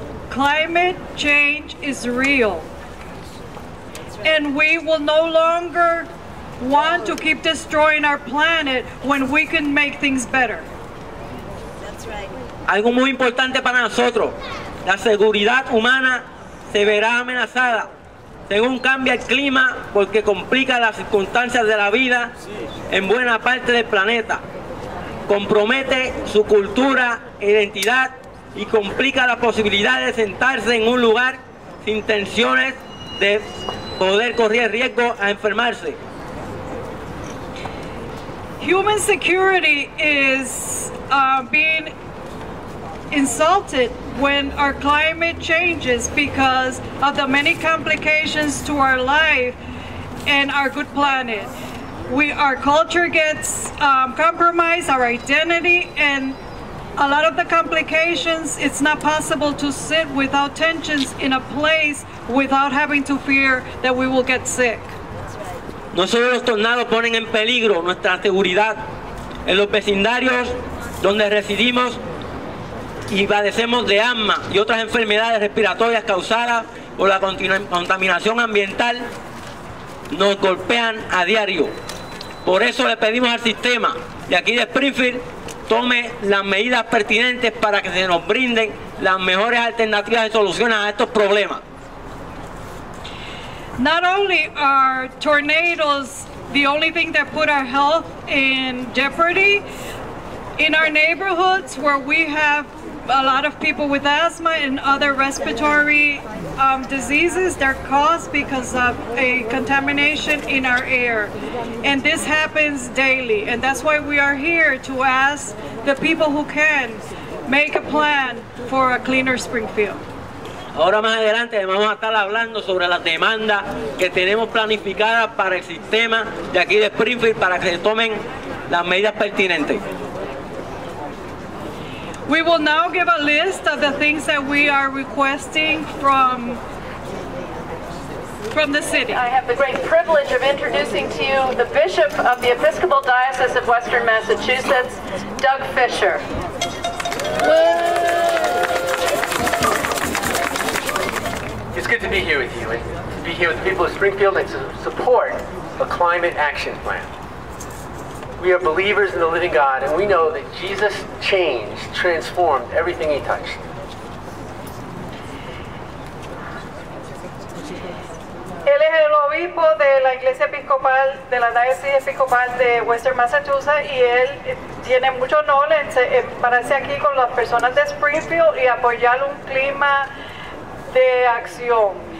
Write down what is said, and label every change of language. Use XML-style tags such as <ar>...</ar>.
<en>Climate change is real. And we will no longer want to keep destroying our planet when we can make things better. That's right.</en> <es>Algo muy importante para nosotros, la seguridad humana se verá amenazada. Según cambia el clima, porque complica las circunstancias de la vida en buena parte del planeta, compromete su cultura, identidad y complica la posibilidad de sentarse en un lugar sin intenciones de poder correr riesgo a enfermarse.</es> <en>Human security is being insulted when our climate changes because of the many complications to our life and our good planet. Our culture gets compromised, our identity, and a lot of the complications, it's not possible to sit without tensions in a place without having to fear that we will get sick.</en> <es>No solo los tornados ponen en peligro nuestra seguridad en los vecindarios donde residimos y padecemos de asma y otras enfermedades respiratorias causadas por la contaminación ambiental, nos golpean a diario. Por eso le pedimos al sistema de aquí de Springfield tome las medidas pertinentes para que se nos brinden las mejores alternativas y soluciones a estos problemas.</es> <en>Not only are tornadoes the only thing that put our health in jeopardy, in our neighborhoods where we have a lot of people with asthma and other respiratory diseases, they're caused because of a contamination in our air. And this happens daily. And that's why we are here to ask the people who can make a plan for a cleaner Springfield.</en> <es>Ahora más adelante vamos a estar hablando sobre las demandas que tenemos planificadas para el sistema de aquí de Springfield para que se tomen las medidas pertinentes.</es> <en>We will now give a list of the things that we are requesting from the city. I have the great privilege of introducing to you the Bishop of the Episcopal Diocese of Western Massachusetts, Doug Fisher. It's good to be here with you and to be here with the people of Springfield and to support a climate action plan. We are believers in the living God, and we know that Jesus changed, transformed everything he touched.</en> <es>Él es el obispo de la Iglesia Episcopal, de la Diócesis Episcopal de Western Massachusetts, y él tiene mucho honor en pararse aquí con las personas de Springfield y apoyar un clima de acción.</es>